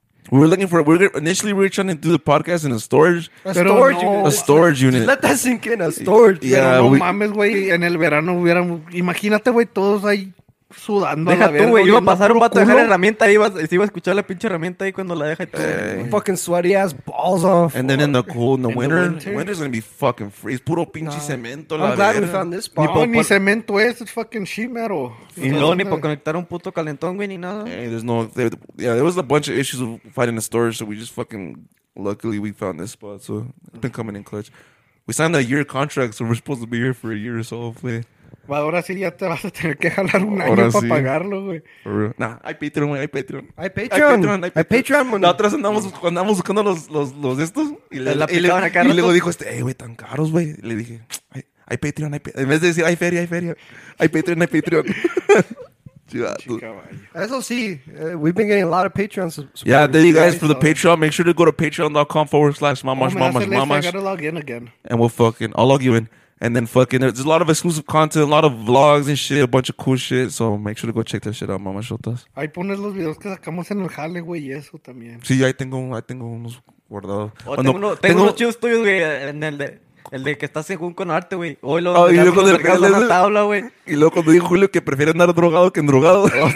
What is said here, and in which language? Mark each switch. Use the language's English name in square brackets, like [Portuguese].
[English] We were trying to do the podcast in a storage. A storage unit. Let that sink in, a storage. [Spanish] Yeah, pero no mames, güey, en el verano hubieran... Imagínate, güey, todos ahí sudando. Deja a la tú, güey, iba a pasar un vato a dejar la herramienta ahí. Se iba a escuchar la pinche herramienta ahí cuando la deja. [English] Fucking sweaty ass balls off. And then in the winter, it's gonna be fucking freeze. [Spanish] Puro pinche cemento, la verdad. [English] I'm glad we found this spot. [Spanish] Ni cemento es, [English] it's fucking sheet metal. [Spanish] Y no, ni para conectar un puto calentón, güey, ni nada. [English] Hey, there's no... There was a bunch of issues of finding the storage, so we just fucking... Luckily, we found this spot, so it's been coming in clutch. We signed a year contract, so we're supposed to be here for a year or so, hopefully. [Spanish] Ahora sí ya te vas a tener que jalar un año para pagarlo, güey. Nah, hay Patreon, güey, hay Patreon. La otra vez andamos buscando los estos. Y luego dijo ey, güey, tan caros, güey. Le dije, hay Patreon, hay Patreon. En vez de decir, hay feria. Hay Patreon. Chica, eso sí, [English] we've been getting a lot of Patreon supporters. Yeah, there you guys for the Patreon. Make sure to go to patreon.com/mamash. I gotta log in again. And I'll log you in. And then fucking, there's a lot of exclusive content, a lot of vlogs and shit, a bunch of cool shit. So make sure to go check that shit out, mama shotas. [Spanish] Ahí pones los videos que sacamos en el jale, güey, y eso también. Sí, ahí tengo unos guardados. Tengo unos chidos tuyos, güey, en el de... El de que está según con arte, güey. Hoy lo y luego de la tabla, güey. Y luego cuando dijo Julio que prefiere andar drogado que endrogado.